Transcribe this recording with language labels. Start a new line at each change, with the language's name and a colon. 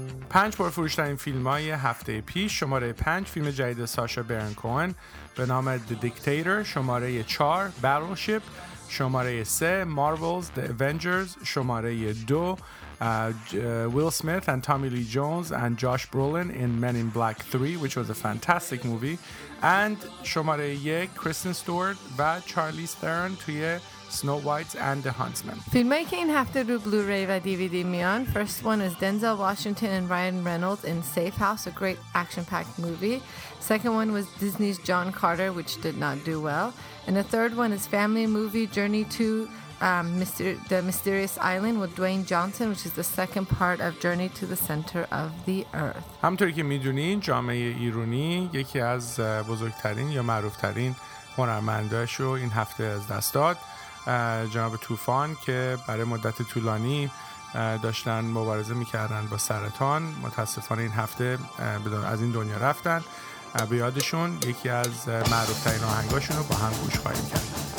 Persian: پنج پرفروش‌ترین فیلم‌های هفته پیش. شماره 5 فیلم جدید ساشا برن کوهن به نام The Dictator. شماره 4 Battleship. شماره 3 Marvel's The Avengers. شماره 2
English: Will Smith and Tommy Lee Jones and Josh Brolin in Men in Black 3, which was a fantastic movie. And
Persian: شماره 1
English: Kristen Stewart و Charlize Theron توی Snow White and the Huntsman.
Persian: فیلمی که این هفته رو بلوری و DVD میان،
English: first one is Denzel Washington and Ryan Reynolds in Safe House, a great action-packed movie. Second one was Disney's John Carter, which did not do well. And the third one is family movie Journey to the Mysterious Island with Dwayne Johnson, which is the second part of Journey to the Center of the Earth.
Persian: همطوری که میدونین جامعه ایرانی یکی از بزرگترین یا معروفترین هنرمنداش رو این هفته از دست داد، جناب طوفان، که برای مدت طولانی داشتن مبارزه میکردن با سرطان. متاسفانه این هفته از این دنیا رفتن. به یادشون یکی از معروفترین آهنگاشون رو با هم گوش خواهیم کرد.